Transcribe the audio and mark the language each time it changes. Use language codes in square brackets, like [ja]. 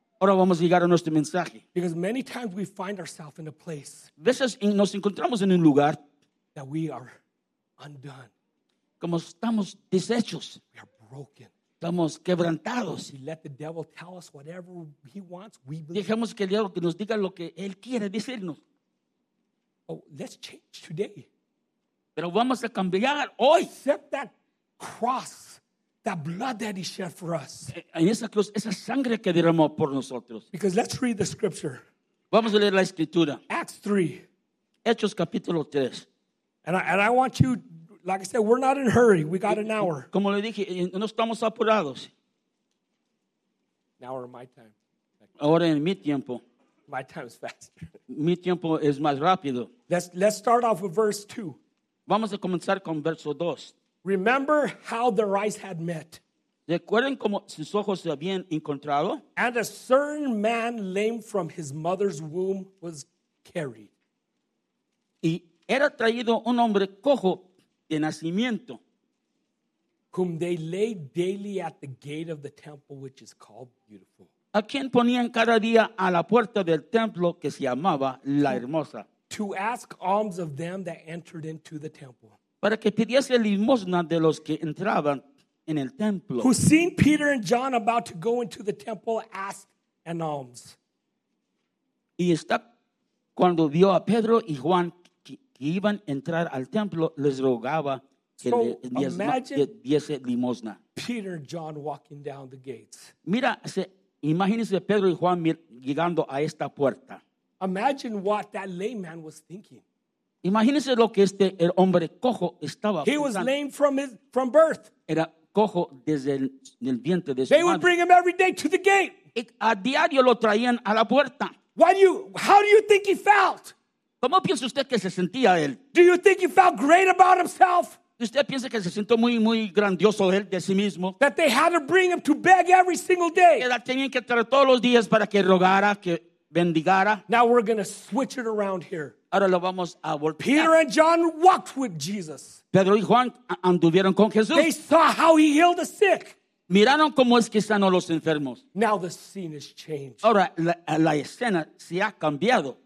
[es] Ahora vamos a llegar a nuestro mensaje. [en] Because many times we find ourselves in a place. [es] Veces nos encontramos en un lugar. [en] That we are undone. [es] Como estamos deshechos. [en] We are broken. [es] Estamos quebrantados. [en] We let the devil tell us whatever he wants. We [es] dejemos que el diablo que nos diga lo que él quiere decirnos. [en] Oh, let's change today. [es] Pero vamos a cambiar hoy. [en] Accept that cross, that blood that he shed for us. [es] En esa cruz, esa sangre que derramó por nosotros. [en] Because let's read the scripture. [es] Vamos a leer la escritura. [en] Acts 3. [es] Hechos capítulo 3. [en] And I want you, like I said, we're not in a hurry. We got an hour. [es] Como le dije, no estamos apurados. [en] Now we're in my time. [es] Ahora en mi tiempo. [en] My time is faster. [es] Mi tiempo es más rápido. [en] Let's start off with verse 2. [es] Vamos a comenzar con verso 2. [en] Remember how their eyes had met. [es] ¿Recuerden cómo sus ojos se habían encontrado? [en] And a certain man lame from his mother's womb was carried. [es] Y era traído un hombre cojo de nacimiento. [en] Whom they laid daily at the gate of the temple, which is called Beautiful. [es] A quien ponían cada día a la puerta del templo que se llamaba La Hermosa. [en] To ask alms of them that entered into the temple. [es] Para que pidiese limosna de los que entraban en el templo. [en] Who seen Peter and John about to go into the temple, asked an alms. [es] Y está cuando vio a Pedro y Juan que iban a entrar al templo, les rogaba que diese limosna. [en] Peter and John walking down the gates. [es] Mira, imagínese Pedro y Juan llegando a esta puerta. [en] Imagine what that lame man was thinking. [es] Imagínese lo que este el hombre cojo estaba pensando. [en] He was lame from birth. [es] Era cojo desde el vientre de su madre. [en] They would bring him every day to the gate. [es] A diario lo traían a la puerta. [en] How do you think he felt? [es] ¿Cómo piensa usted que se sentía él? [en] Do you think he felt great about himself? [es] ¿Usted piensa que se sintió muy, muy grandioso él de sí mismo? [en] That they had to bring him to beg every single day. [es] Que la tenían que traer todos los días para que rogara, que bendigara. [en] Now we're going to switch it around here. [es] Ahora lo vamos a voltear. [en] Peter and John walked with Jesus. [es] Pedro y Juan anduvieron con Jesús. [en] They saw how he healed the sick. [es] Miraron cómo es que sanó los enfermos. [en] Now the scene has changed. [es] Ahora la escena se ha cambiado.